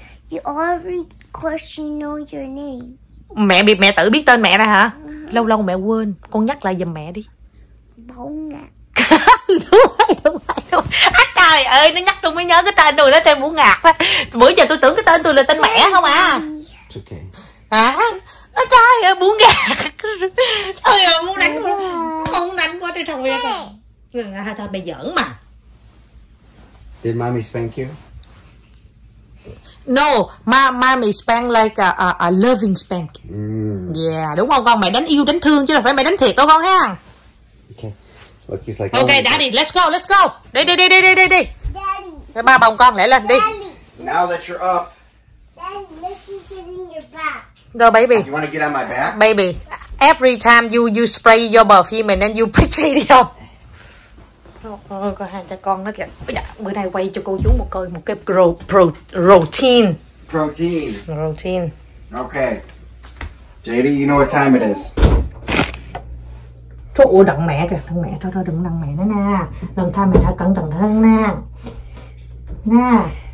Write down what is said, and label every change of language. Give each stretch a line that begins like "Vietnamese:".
English: You already, of course you know your name.
Vietnamese: Mẹ biết, mẹ tự biết tên mẹ ra hả? Uh-huh. Lâu lâu mẹ quên, con nhắc lại giùm mẹ đi. Bông ạ. Đúng rồi. Trời ơi, nó nhắc tôi mới nhớ cái tên tôi, nó thêm muốn ngạc đó. Bữa giờ tôi tưởng cái tên tôi là tên mẹ không à.
English: It's okay.
Vietnamese: Hả? À, trời ơi, muốn ngạc. Trời ơi, muốn đánh không đánh quá trời trời ơi. Thôi mày giỡn mà.
English: Did mommy spank you? No, mommy spank like a loving spank. Mm.
Vietnamese: Yeah, đúng không con? Mẹ đánh yêu, đánh thương chứ không phải mẹ đánh thiệt đâu con ha.
English: Lucky's like, oh, okay, Daddy, God. Let's go. Đi. Daddy.
Vietnamese: Ba bồng con, lẹ lên, đi.
English: Now that you're up. Daddy, let's get in your back. Go, baby. You want to get on my back? Baby, every time you spray your perfume and then you pitch it on.
Vietnamese: Có hai cha con nó kìa. Dạ, bữa nay quay cho cô chú một coi một cái protein.
English: Protein. Okay. JD, you know what time it is.
Vietnamese: Thôi ủa đặng mẹ kìa, đặng mẹ thôi đừng đặng mẹ nữa nha. Lần tha mẹ thả cẩn thận nữa nha. Nha.